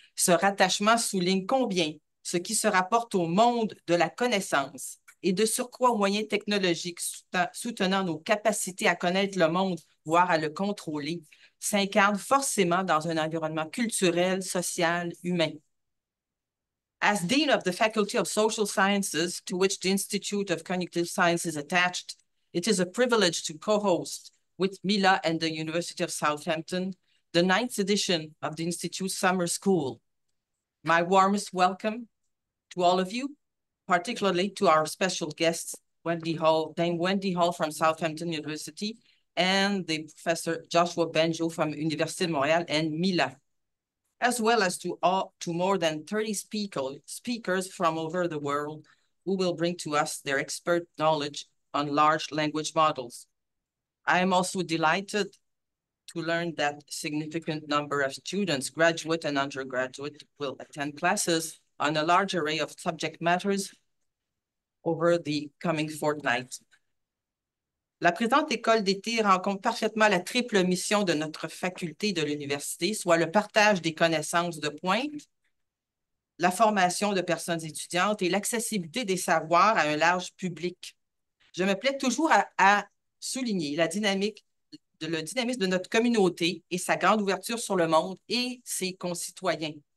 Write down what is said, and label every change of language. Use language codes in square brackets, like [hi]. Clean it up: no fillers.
[fr] Ce rattachement souligne combien ce qui se rapporte au monde de la connaissance et de surcroît aux moyens technologiques soutenant nos capacités à connaître le monde, voire à le contrôler, s'incarne forcément dans un environnement culturel, social, humain. [en] As Dean of the Faculty of Social Sciences, to which the Institute of Cognitive Science is attached, it is a privilege to co-host with Mila and the University of Southampton the 9th edition of the Institute Summer School. My warmest welcome to all of you, particularly to our special guests, Dame Wendy Hall from Southampton University, and the Professor Joshua Bengio from Université de Montréal, and Mila, as well as to more than 30 speakers from over the world who will bring to us their expert knowledge on large language models. I am also delighted to learn that a significant number of students, graduate and undergraduate, will attend classes on a large array of subject matters over the coming fortnight. [fr] La présente école d'été rencontre parfaitement la triple mission de notre faculté de l'université, soit le partage des connaissances de pointe, la formation de personnes étudiantes et l'accessibilité des savoirs à un large public. Je me plais toujours à souligner la dynamique le dynamisme de notre communauté et sa grande ouverture sur le monde et ses concitoyens.